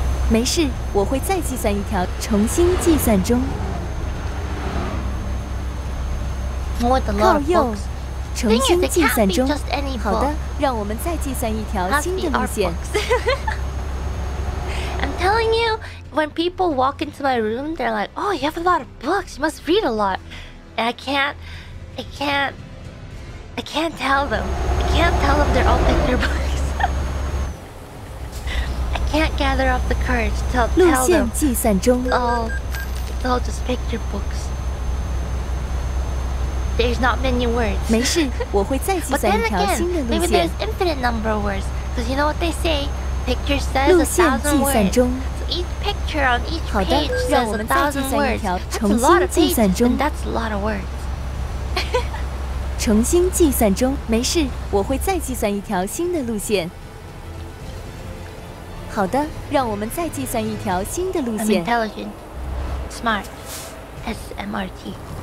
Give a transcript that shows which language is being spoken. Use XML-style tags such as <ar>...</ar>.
<zh>没事，我会再计算一条，重新计算中。靠右。重新计算中。好的，让我们再计算一条新的路线。</zh> <en>I'm telling you, when people walk into my room, they're like, "Oh, you have a lot of books. You must read a lot." And I can't tell them. I can't tell them they're all picture books. I can't gather up the courage to tell them.</en> <zh>路线计算中。</zh> <en>It's all just picture books. There's not many words.</en> <zh>没事，我会再计算一条新的路线。</zh> <en>But then again, maybe there's infinite number of words. Because you know what they say, picture says a thousand words.</en> <zh>路线计算中。</zh> <en>each picture on each page says a thousand words. That's a lot of pages, and that's a lot of words.</en> <zh>重新计算中，没事，我会再计算一条新的路线。好的，让我们再计算一条新的路线。</zh> <en>I'm intelligent, smart, S-M-R-T.</en>